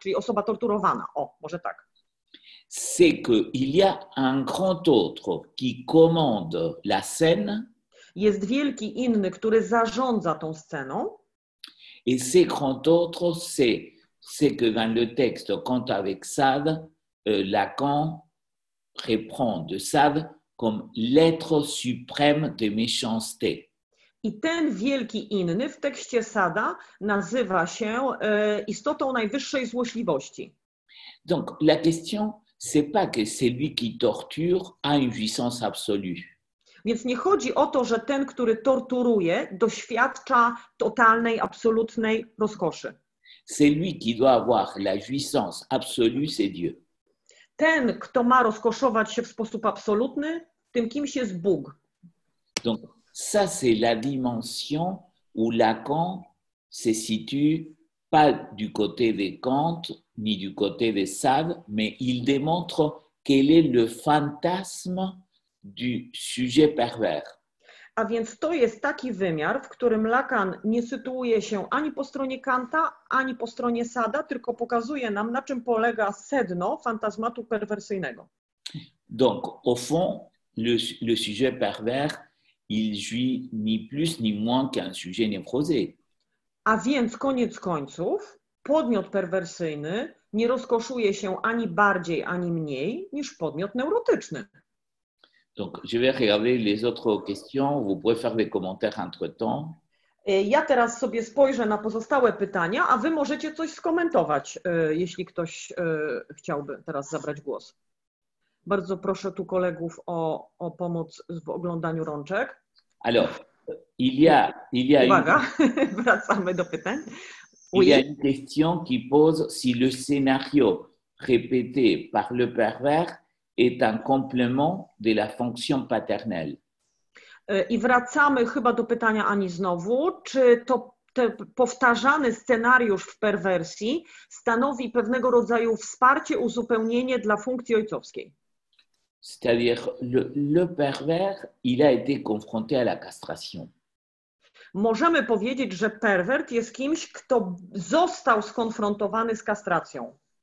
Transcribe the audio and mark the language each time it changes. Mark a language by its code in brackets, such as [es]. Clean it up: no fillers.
[pl] Czyli osoba torturowana, o, może tak. [fr] C'est qu'il y a un grand autre qui commande la scène. [pl] Jest wielki inny, który zarządza tą sceną. [fr] Et ce grand autre, c'est que dans le texte, quand avec Sade, Lacan reprend de Sade comme l'être suprême de méchanceté. [pl] I ten wielki inny w tekście Sada nazywa się istotą najwyższej złośliwości. [fr] Donc la question, c'est pas que celui qui torture a une puissance absolue. [pl] Więc nie chodzi o to, że ten, który torturuje, doświadcza totalnej, absolutnej rozkoszy. [fr] C'est lui qui doit avoir la puissance absolue, c'est Dieu. [pl] Ten, kto ma rozkoszować się w sposób absolutny, tym kimś jest Bóg. [fr] Donc, ça c'est la dimension où Lacan se situe pas du côté de Kant ni du côté de Sade, mais il démontre quel est le fantasme du sujet pervers. [pl] A więc to jest taki wymiar, w którym Lacan nie sytuuje się ani po stronie Kanta, ani po stronie Sada, tylko pokazuje nam, na czym polega sedno fantazmatu perwersyjnego. [fr] Donc, au fond, le sujet pervers, il jouit ni plus ni moins qu'un sujet névrosé. [pl] A więc koniec końców, podmiot perwersyjny nie rozkoszuje się ani bardziej, ani mniej niż podmiot neurotyczny. [fr] Donc, je vais regarder les autres questions. Vous pouvez faire des commentaires entre-temps. [pl] Ja teraz sobie spojrzę na pozostałe pytania, a wy możecie coś skomentować, jeśli ktoś chciałby teraz zabrać głos. Bardzo proszę tu kolegów o pomoc w oglądaniu rączek. [fr] Alors, il y a [pl] uwaga, une... wracamy do pytań. [fr] Oui. Il y a une question qui pose si le scénario répété par le pervers est un complément de la fonction paternelle. [pl] I wracamy chyba do pytania Ani znowu, czy to ten powtarzany scenariusz w perwersji stanowi pewnego rodzaju wsparcie, uzupełnienie dla funkcji ojcowskiej? [fr] C'est-à-dire, le pervers, il a été confronté à la castration. [pl] Możemy powiedzieć, że pervert jest kimś, kto został skonfrontowany z kastracją.